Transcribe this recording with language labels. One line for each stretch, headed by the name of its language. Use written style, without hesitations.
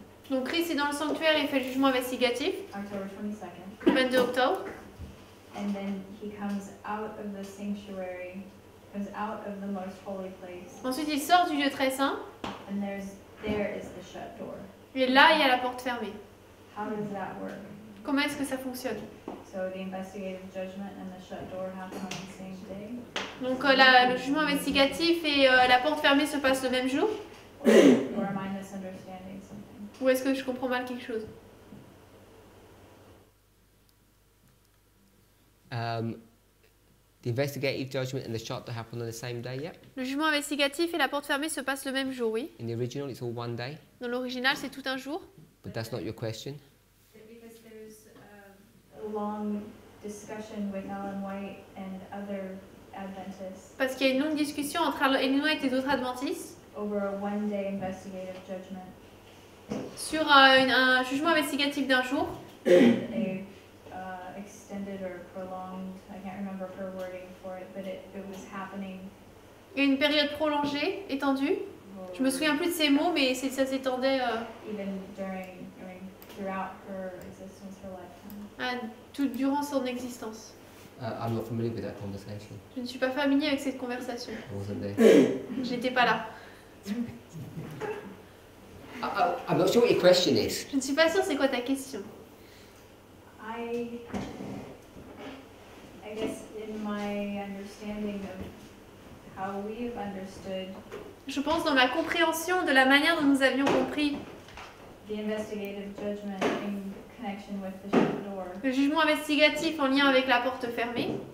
French: Donc Christ est dans le sanctuaire et fait le jugement investigatif.
English: October 22nd.
French: Le 22 octobre.
English: And then he comes out of the sanctuary, comes out of the most holy place.
French: Ensuite, il sort du lieu très saint.
English: And there is the shut door.
French: Et là, il y a la porte fermée.
English: How does that work?
French: Comment est-ce que ça fonctionne?
English: So the investigative judgment and the shut door happen on the same day.
French: Donc le jugement investigatif et la porte fermée se passent le même jour?
English: Or am I misunderstanding something?
French: Ou est-ce que je comprends mal quelque chose?
English: The investigative judgment and the shut door happen on the same day, yeah.
French: Le jugement investigatif et la porte fermée se passent le même jour, oui.
English: In the original, it's all one day.
French: Dans l'original, c'est tout un jour.
English: But that's not your question. Because there's a long discussion with Ellen White and other Adventists.
French: Parce qu'il y a une longue discussion entre Ellen White et d'autres Adventistes.
English: Over a one-day investigative judgment.
French: Sur un jugement investigatif d'un jour.
English: Extended or prolonged, I can't remember her wording for it, but it was happening.
French: Une période prolongée, étendue. Je me souviens plus de ces mots, mais ça s'étendait.
English: Even during, I mean, throughout her existence, her lifetime.
French: Tout durant son existence.
English: I'm not familiar with that conversation.
French: Je ne suis pas familier avec cette conversation.
English: I wasn't there.
French: J'étais pas là.
English: I'm not sure what your question is.
French: Je ne suis pas sûre c'est quoi ta question.
English: I guess in my understanding of how we have understood.
French: Je pense dans ma compréhension de la manière dont nous avions compris.
English: The investigative judgment in connection with the shut door.
French: Le jugement investigatif en lien avec la porte fermée.